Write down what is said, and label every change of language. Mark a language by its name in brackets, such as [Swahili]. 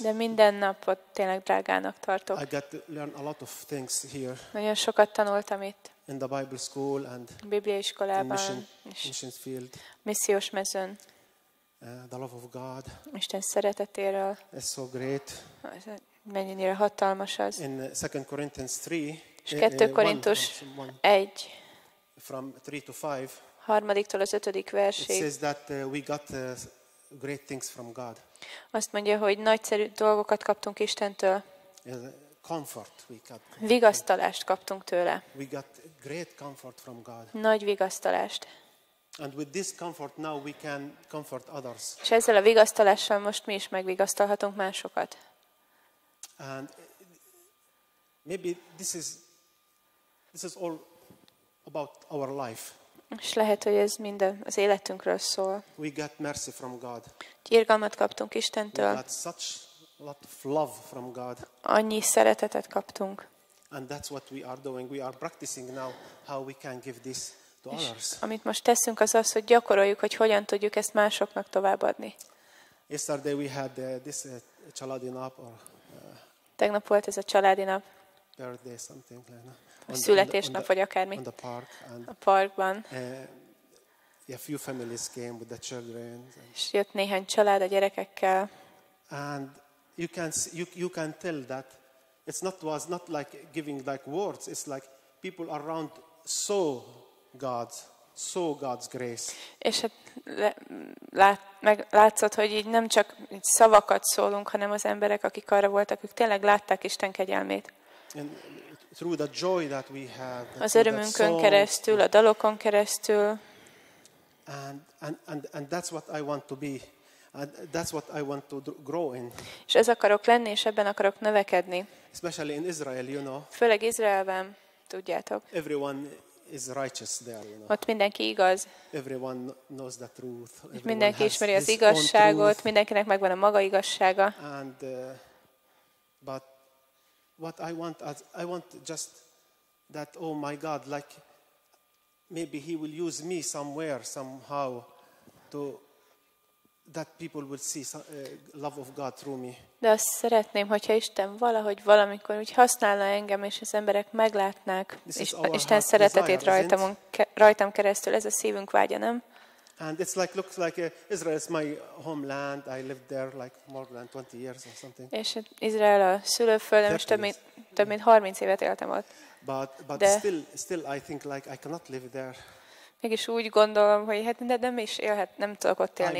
[Hungarian] De minden napot tényleg drágának tartok. [English] I got to learn a lot of things here. [Hungarian] Nagyon sokat tanultam itt. [English] In the Bible school and [Hungarian] Biblia iskolában. [English] Mission field. [Hungarian] Missziós mezőn. [English] The love of God. [Hungarian] Isten szeretetéről. [English] It's so great. [Hungarian] Mennyire hatalmas az. [English] In 2 Corinthians 3. [Hungarian] És 2 Korintus 1. [English] From 3 to 5. [Hungarian] Harmadiktól az ötödik versig. [English] It says that we got great things from God. [Hungarian] Azt mondja, hogy nagyszerű dolgokat kaptunk Istentől. [English] Comfort we got. [Hungarian] Vigasztalást kaptunk tőle. [English] We got great comfort from God. [Hungarian] Nagy vigasztalást. [English] And with this comfort now we can comfort others. [Hungarian] És ezzel a vigasztalással most mi is megvigasztalhatunk másokat. [English] And maybe this is all about our life. [Hungarian] És lehet, hogy ez mind az életünkről szól. [English] We got mercy from God. [Hungarian] Irgalmat kaptunk Istentől. [English] We got such lot of love from God. [Hungarian] Annyi szeretetet kaptunk. [English] And that's what we are doing. We are practicing now how we can give this to others. [Hungarian] Amit most teszünk az, hogy gyakoroljuk, hogy hogyan tudjuk ezt másoknak továbbadni. [English] Yesterday we had this [Hungarian] családi nap. Tegnap volt ez a családi nap. [English] Birthday, something like that. [Hungarian] A születésnap, vagy akármi. [English] On the park and [Hungarian] a parkban. [English] A few families came with the children. [Hungarian] És jött néhány család a gyerekekkel. [English] And you can tell that it was not like giving like words. It's like people around saw God's grace. [Hungarian] És hát látszott, hogy így nem csak szavakat szólunk, hanem az emberek, akik arra voltak, ők tényleg látták Isten kegyelmét. [English] And through the joy that we have, [Hungarian] az örömünkön keresztül, a dalokon keresztül. [English] And that's what I want to be. And that's what I want to grow in. [Hungarian] És ez akarok lenni, és ebben akarok növekedni. [English] Especially in Israel, you know. [Hungarian] Főleg Izraelben, tudjátok. [English] Everyone is righteous there, you know. [Hungarian] Ott mindenki igaz. [English] Everyone knows the truth. Everyone [Hungarian] mindenki ismeri az igazságot, mindenkinek megvan a maga igazsága. [English] And but what I want just that, oh my God, like maybe he will use me somewhere somehow to that people will see love of God through me. [Hungarian] De azt szeretném, hogyha Isten valahogy valamikor úgy használna engem, és az emberek meglátnák Isten szeretetét rajtam keresztül. Ez a szívünk vágya, nem? [English] And it's like looks like Israel is my homeland. I lived there like more than 20 years or something. [Hungarian] És Izrael a szülőföldem, és több mint 30 évet éltem ott. [English] But de still I think like I cannot live there. [Hungarian] Mégis úgy gondolom, hogy hát nem is élhet, nem tudok ott élni.